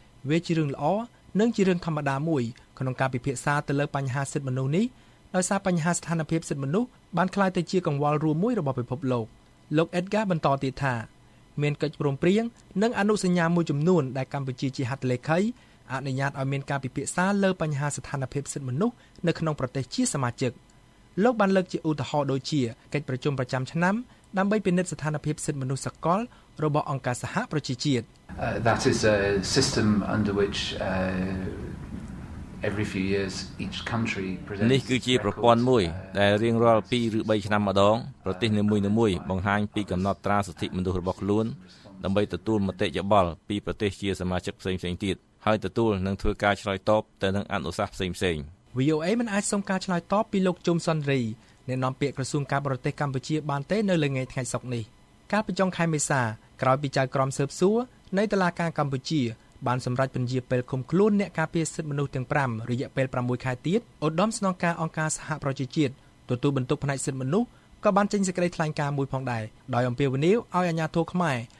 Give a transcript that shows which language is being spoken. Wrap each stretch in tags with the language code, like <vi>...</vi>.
<km>វាជារឿងល្អនិងជារឿងធម្មតាមួយក្នុងការពិភាក្សាទៅលើបញ្ហាសិទ្ធិមនុស្សនេះដោយសារបញ្ហាស្ថានភាពសិទ្ធិមនុស្សបានក្លាយទៅជាកង្វល់រួមមួយរបស់ពិភពលោកលោកអេតហ្គាបន្តទៀតថាមានកិច្ចព្រមព្រៀងនិងអនុសញ្ញាមួយចំនួនដែលកម្ពុជាជាហត្ថលេខីអនុញ្ញាតឲ្យមានការពិភាក្សាលើបញ្ហាស្ថានភាពសិទ្ធិមនុស្សនៅក្នុងប្រទេសជាសមាជិកលោកបានលើកជាឧទាហរណ៍ដូចជាកិច្ចប្រជុំប្រចាំឆ្នាំដើម្បីពិនិត្យស្ថានភាពសិទ្ធិមនុស្សសកលរបស់អង្គការសហប្រជាជាតិ</km> <en>That is a system under which every few years each country presents</en> <km>នេះគឺជាប្រព័ន្ធមួយដែលរៀងរាល់2ឬ3ឆ្នាំម្ដងប្រទេសនីមួយៗបង្ហាញពីកំណត់ត្រាសិទ្ធិមនុស្សរបស់ខ្លួនដើម្បីទទួលមតិយោបល់ពីប្រទេសជាសមាជិកផ្សេងៗទៀតហើយទទួលនឹងធ្វើការឆ្លើយតបទៅនឹងអនុសាសន៍ផ្សេង ៗ VOA មិនអាចសុំការឆ្លើយតបពីលោកជុំសុនរីអ្នកនាំពាក្យក្រសួងការបរទេសកម្ពុជាបានទេនៅលើថ្ងៃសុក្រនេះកាលពីចុងខែមេសាក្រោយពីចៅក្រមស៊ើបសួរនៃតុលាការកម្ពុជាបានសម្រេចពន្យារពេលឃុំខ្លួនអ្នកការពារសិទ្ធិមនុស្សទាំង5រយៈពេល6ខែទៀតឧត្តមស្នងការអង្គការសហប្រជាជាតិទទួលបន្ទុកផ្នែកសិទ្ធិមនុស្សក៏បានចេញសេចក្តីថ្លែងការណ៍មួយផងដែរដោយអំពាវនាវឲ្យអាជ្ញាធរខ្មែរ</km>